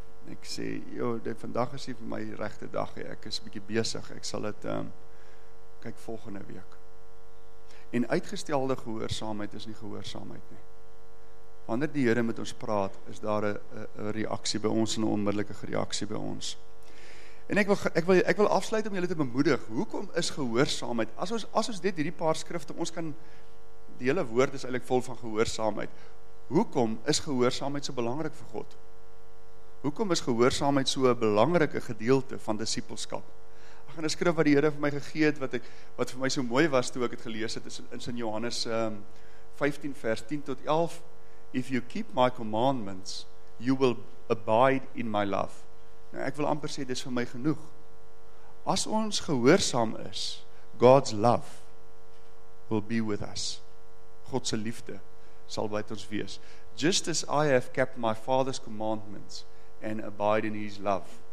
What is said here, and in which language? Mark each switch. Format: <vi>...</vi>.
<af>Ek sê, vandag is nie vir my regte dag, ek is 'n bietjie besig, ek sal dit kyk volgende week. En uitgestelde gehoorsaamheid is nie gehoorsaamheid nie. Wanneer die Here met ons praat, is daar 'n reaksie by ons en 'n onmiddellike reaksie by ons. En ek wil afsluit om julle te bemoedig. Hoekom is gehoorsaamheid? As ons dit hierdie paar skrifte, ons kan die hele woord is eintlik vol van gehoorsaamheid. Hoekom is gehoorsaamheid so belangrik vir God? Hoekom is gehoorsaamheid so 'n belangrike gedeelte van disipelskap? Ek gaan 'n skrif wat die Here vir my gegee het wat vir my so mooi was toe ek het gelees het, is in Sint Johannes 15 vers 10 tot 11.</af> <en>If you keep my commandments, you will abide in my love.</en> <af>Nou ek wil amper sê dis vir my genoeg. As ons gehoorsaam is,</af> <en>God's love will be with us.</en> <af>God se liefde sal by ons wees.</af> <en>Just as I have kept my father's commandments and abide in his love.</en>